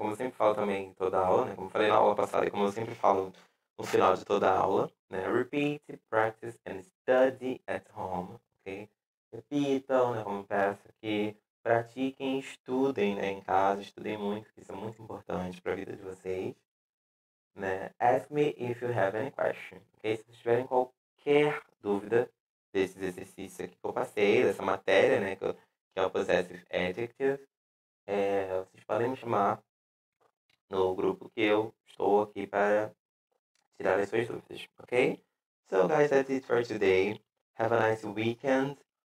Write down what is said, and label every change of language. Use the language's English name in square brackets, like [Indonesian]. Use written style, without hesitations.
[Portuguese] Como eu sempre falo também em toda aula, né? Como eu falei na aula passada e como eu sempre falo no final de toda aula, né? [English] Repeat, practice and study at home, ok? [Portuguese] Repitam, né? Como eu peço aqui, pratiquem, estudem, né? Em casa, estudem muito, que isso é muito importante para a vida de vocês, né? [English] Ask me if you have any question, ok? [Portuguese] Se vocês tiverem qualquer dúvida desses exercícios aqui que eu passei, dessa matéria, né? Que é o possessive adjective. É, vocês podem me chamar no grupo que eu estou aqui para tirar as suas dúvidas, ok? [English] So, guys, that's it for today. Have a nice weekend.